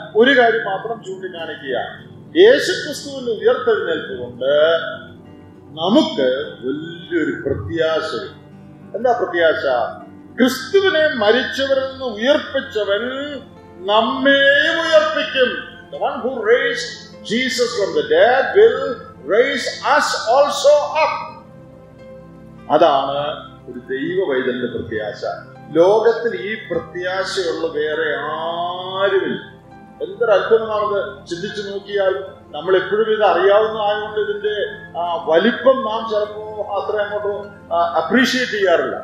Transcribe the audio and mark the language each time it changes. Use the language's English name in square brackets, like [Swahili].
[Malayalam] ഒരു കാര്യം മാത്രം ചൂണ്ടിക്കാണിക്കുക, യേശു ക്രിസ്തുവിന്റെ ഉയർത്തെഴുന്നേൽപ്പ് കൊണ്ട് നമുക്ക് വലിയൊരു പ്രത്യാശ. എന്താ പ്രത്യാശ? ക്രിസ്തുവിനെ മരിച്ചവരിൽ നിന്ന് ഉയർപ്പിച്ചവൻ നമ്മെയും ഉയർപ്പിക്കും. [English] The one who raised Jesus from the dead will raise us also up. [Malayalam] അതാണ് ഒരു ദൈവവൈദന്റെ പ്രത്യാശ. ലോകത്തിൽ ഈ പ്രത്യാശയുള്ള വേറെ ആരുമില്ല. എന്തൊരു അത്ഭുതമാണത്. ചിന്തിച്ചു നോക്കിയാൽ നമ്മൾ എപ്പോഴും ഇത് അറിയാവുന്നതായതുകൊണ്ട് ഇതിന്റെ വലിപ്പം നാം ചിലപ്പോ അത്ര അങ്ങോട്ടും അപ്രീഷിയേറ്റ് ചെയ്യാറില്ല.